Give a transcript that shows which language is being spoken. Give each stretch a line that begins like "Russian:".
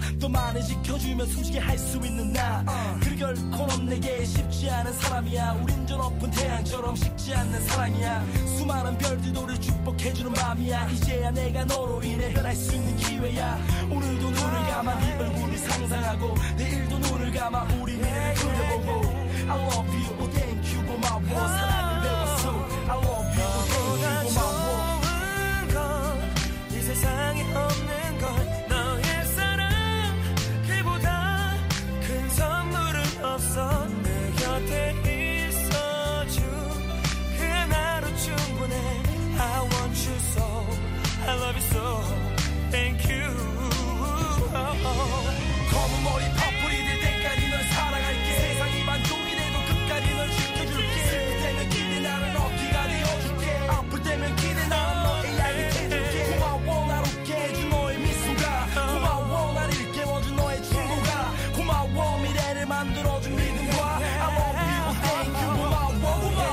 Korean: 또 많이 지켜주면 솔직히 할 수 있는 나. 그리 결코 없내게 쉽지 않은 사람이야. 우린 저 높은 태양처럼 식지 않는 사랑이야. 수많은 별들도 우리 축복해주는 밤이야. 이제야 내가 너로 인해 변할 수 있는 기회야. 오늘도 눈을 감아 네 얼굴을 상상하고, 내일도 눈을 감아 우리 미래를 그려보고.
English: I love you, oh thank you,
Korean: 고마워. 사랑을 배웠어.
English: I love you, oh thank you,
Korean: 고마워. 좋은 건 이 세상에 없는 건 너의 사랑. 그보다 큰 선물은 없어. 내 곁에 있어준 그 하나로 충분해.
English: I want you so, I love you so, thank you. Oh, oh.
Korean: 검은 머리 퍼플이 될 때까지 널 사랑할게. 세상이 만종이 돼도 끝까지 널 지켜줄게. 슬플 때면 기대 나는 어깨가 되어줄게. 아플 때면 기대 나는 너의 이야기 해줄게. 고마워 날 웃게 해준 너의 미소가. 고마워 날 일깨워준 너의 친구가. 고마워 미래를 만들어준 믿음과.
English: I love you, oh, thank you,
Korean: 고마워, 고마워.